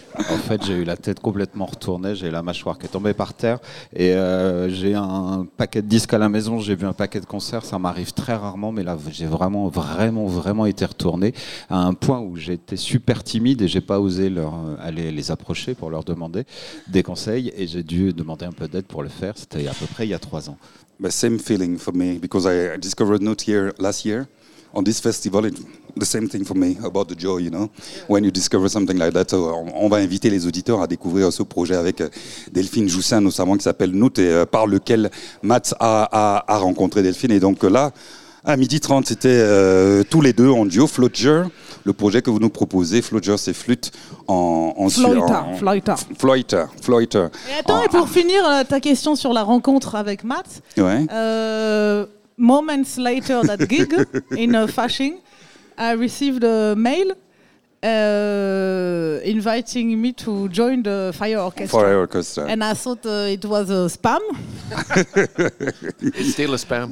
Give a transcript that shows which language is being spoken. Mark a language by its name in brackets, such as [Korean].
[French] En fait, j'ai eu la tête complètement retournée, j'ai la mâchoire qui est tombée par terre, et j'ai un paquet de disques à la maison, j'ai vu un paquet de concerts, ça m'arrive très rarement, mais là, j'ai vraiment, vraiment, vraiment été retourné à un point où j'étais super timide et j'ai pas osé aller les approcher pour leur demander des conseils, et j'ai dû demander un peu d'aide pour le faire, c'était à peu près il y a 3 ans. [English] The same feeling for me, because I discovered Note here last year on this festival. The same thing for me about the joy, you know, when you discover something like that. [French] On va inviter les auditeurs à découvrir ce projet avec Delphine Joussin, notamment, qui s'appelle Note, et par lequel Matt a rencontré Delphine. Et donc là, à 12h30, c'était tous les deux en duo, Flotger, le projet que vous nous proposez. Flotger, c'est flûte en [Swedish] Flöjta. Flöjta. [French] Attends, et pour finir ta question sur la rencontre avec Matt, ouais. [English] Moments later, that gig in a fashion, I received a mail inviting me to join the fire orchestra. And I thought it was a spam. It's still a spam.